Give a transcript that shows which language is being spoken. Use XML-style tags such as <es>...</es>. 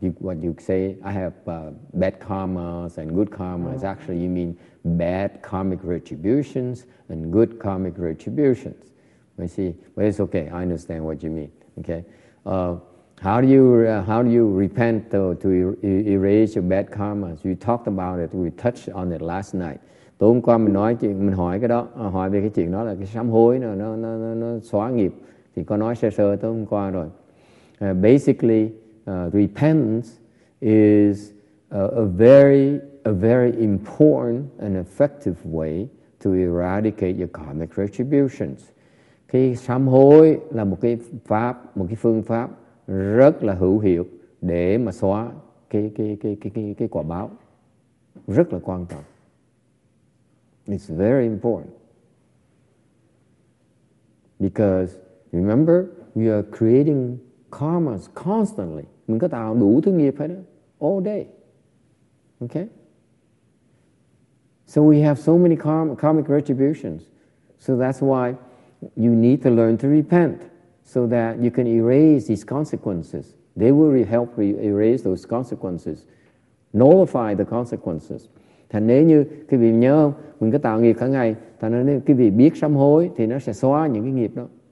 <en>What you say, I have bad karmas and good karmas, actually, you mean bad karmic retributions and good karmic retributions. I see. But it's okay. I understand what you mean. Okay. How do you repent to erase your bad karmas? We talked about it. We touched on it last night.</en> <vi>Tối hôm qua mình nói chuyện, mình hỏi cái đó, hỏi về cái chuyện đó là cái sám hối, nó xóa nghiệp. Thì có nói sơ sơ tối hôm qua rồi.</vi> <en>Basically, repentance is a very important and effective way to eradicate your karmic retributions.</en> <vi>Cái sám hối là một cái phương pháp rất là hữu hiệu để mà xóa cái quả báo. Rất là quan trọng.</vi> <en>It's very important. Because remember, we are creating karmas constantly.</en> <vi>Mình có tạo đủ thứ nghiệp hết đó,</vi> <en>all day. Okay? So we have so many karmic retributions. So that's why you need to learn to repent so that you can erase these consequences. They will help erase those consequences, nullify the consequences.</en> <vi>Thành nếu như quý vị nhớ không, mình cứ tạo nghiệp cả ngày, thành nếu quý vị biết sám hối thì nó sẽ xóa những cái nghiệp đó.</vi>